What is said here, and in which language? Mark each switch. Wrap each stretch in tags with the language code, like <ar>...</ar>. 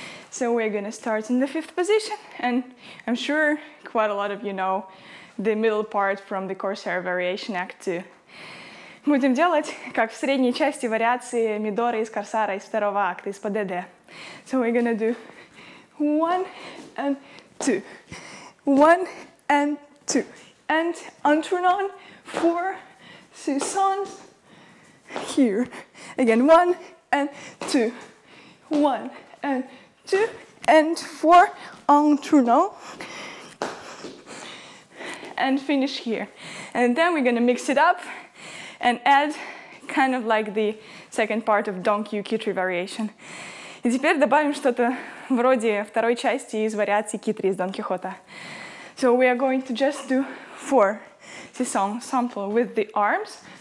<en>So we're gonna start in the fifth position, and I'm sure quite a lot of you know the middle part from the Corsair Variation Act 2.</en> <ru>Будем делать, как в средней части вариации Мидоры из Корсара из второго акта, из ПДД.</ru> <en>So we're gonna do one and two, one and two, and entournant, four saisons here. Again, one and two, one and two, and four entournant, and finish here. And then we're gonna mix it up and add kind of like the second part of Don Quixote variation.</en> <ru>И теперь добавим что-то вроде второй части из вариации Китри из Дон Кихота.</ru> <en>So we are going to just do four saison simple with the arms.</en>